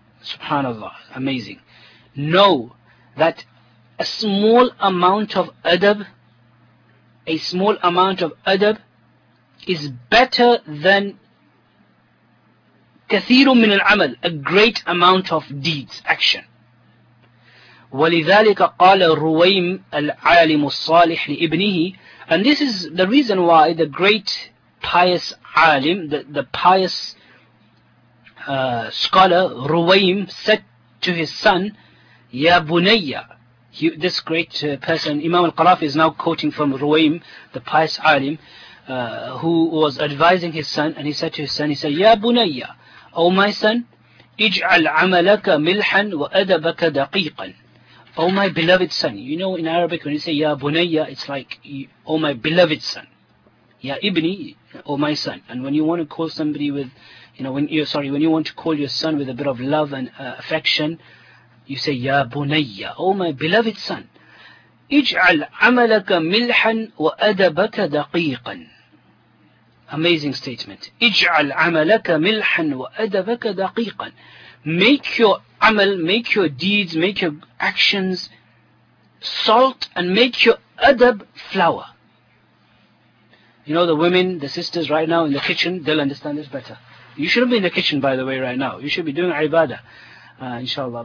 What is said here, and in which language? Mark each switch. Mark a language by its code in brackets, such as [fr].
[en] Subhanallah, amazing. Know that a small amount of adab, a small amount of adab is better than [ar] كثير من العمل, [en] a great amount of deeds, action. [ar] ولذلك قال رويم العالم الصالح لابنه. [en] And this is the reason why the great pious alim, the pious scholar رويم, said to his son, [ar] يا بنيا. [en] This great person, Imam Al-Qarafi, is now quoting from رويم, the pious alim, who was advising his son, and he said to his son, he said, [ar] يا بنيا, [en] O my son, [ar] اجعل عملك ملحا وأدبك دقيقا. [en] O my beloved son. You know, in Arabic when you say [ar] يا بنيا, [en] it's like, O my beloved son. [ar] يا ابني, [en] O my son. And when you want to call somebody with, you know, when you want to call your son with a bit of love and affection, you say [ar] يا بنيا, [en] O my beloved son. [ar] اجعل عملك ملحا وأدبك دقيقا. [en] Amazing statement. [ar] اجعل عملك ملحا وأدبك دقيقا. [en] Make your amal, make your deeds, make your actions salt, and make your adab flour. You know, the women, the sisters right now in the kitchen, they'll understand this better. You shouldn't be in the kitchen, by the way, right now. You should be doing ibadah, inshallah.